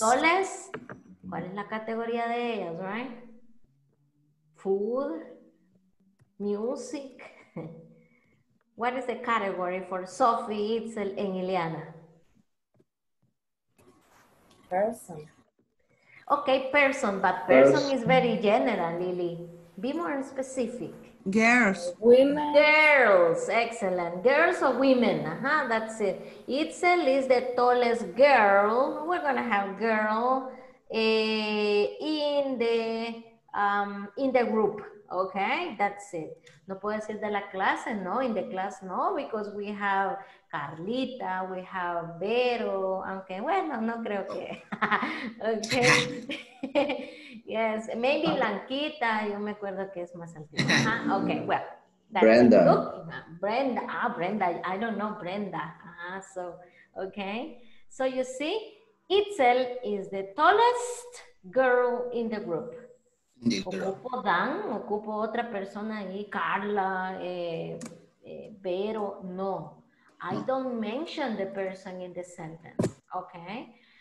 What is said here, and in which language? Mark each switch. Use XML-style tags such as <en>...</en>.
<es>Tallest, ¿cuál es la categoría de ellas, right?</es> <en>Food, music, what is the category for Sophie, Itzel, and Ileana? Person. Okay, person, but person is very general, Lily. Be more specific. Girls. Women. Girls. Excellent. Girls or women. Uh-huh. That's it. Itzel is the tallest girl. We're going to have girl in the group. Okay? That's it.</en> <es>No puedo decir de la clase, no.</es> <en>In the class, no. Because we have Carlita, we have Vero.</en> <es>Aunque, bueno, no creo que. Okay.</es> <en>Yes, maybe</en> <es>Blanquita, yo me acuerdo que es más antigua.</es> <en>Uh-huh. Okay, well, that's Brenda. Brenda, ah, Brenda, I don't know Brenda. Uh-huh. So, okay, so you see, Itzel is the tallest girl in the group.</en> <es>Ocupo Dan, ocupo otra persona ahí, Carla, Vero, no.</es> <en>I don't mention the person in the sentence, okay?</en>